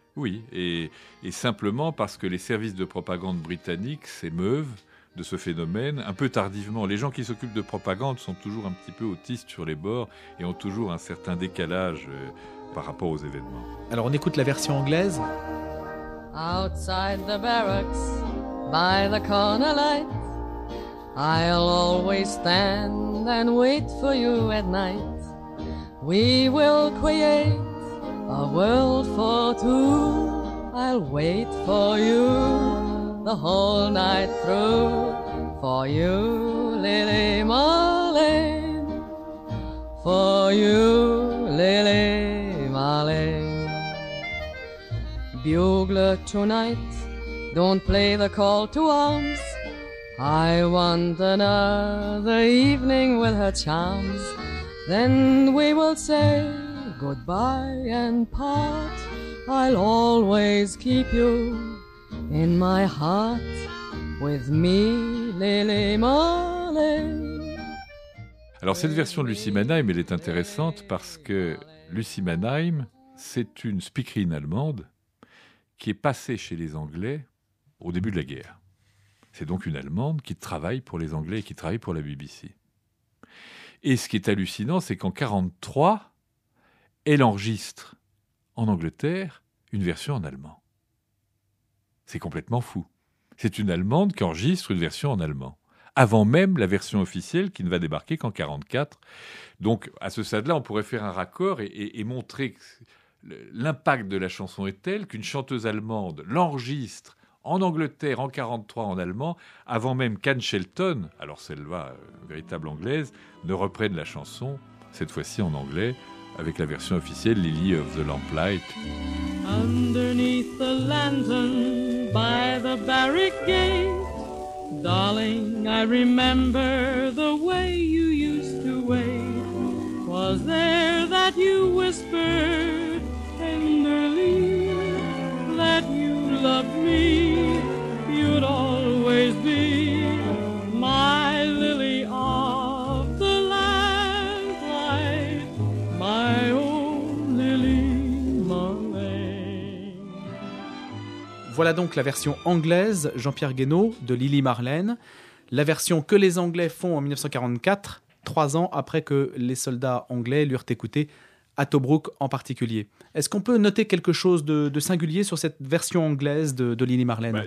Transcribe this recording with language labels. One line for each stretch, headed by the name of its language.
French: Oui, et simplement parce que les services de propagande britanniques s'émeuvent de ce phénomène, un peu tardivement. Les gens qui s'occupent de propagande sont toujours un petit peu autistes sur les bords et ont toujours un certain décalage par rapport aux événements. Alors, on écoute la version anglaise.
English: Outside the barracks, by the corner light, I'll always stand and wait for you at night. We will create a world for two. I'll wait for you the whole night through, for you, Lily Marlene, for you, Lily Marlene. Bugler, tonight, don't play the call to arms. I want another evening with her charms. Then we will say goodbye and part. I'll always keep you in my heart, with me, Lily Marlene.
French: Alors, cette version de Lucy Mannheim, elle est intéressante parce que Lucy Mannheim, c'est une speakerine allemande qui est passée chez les Anglais au début de la guerre. C'est donc une Allemande qui travaille pour les Anglais et qui travaille pour la BBC. Et ce qui est hallucinant, c'est qu'en 1943, elle enregistre en Angleterre une version en allemand. C'est complètement fou. C'est une Allemande qui enregistre une version en allemand, avant même la version officielle qui ne va débarquer qu'en 1944. Donc, à ce stade-là, on pourrait faire un raccord et montrer que l'impact de la chanson est tel qu'une chanteuse allemande l'enregistre en Angleterre en 1943 en allemand, avant même qu'Anne Shelton, alors celle-là, véritable anglaise, ne reprenne la chanson, cette fois-ci en anglais, avec la version officielle Lily of the Lamplight.
English: Underneath the lantern by the barrack gate, darling, I remember the way you used to wait. Was there that you whispered tenderly that you loved me? You'd always be my lily of the lamplight, my own Lily Marlene.
French: Voilà donc la version anglaise, Jean-Pierre Guénot, de Lily Marlène. La version que les Anglais font en 1944, 3 ans après que les soldats anglais l'eurent écoutée à Tobruk en particulier. Est-ce qu'on peut noter quelque chose de singulier sur cette version anglaise de Lili Marlène?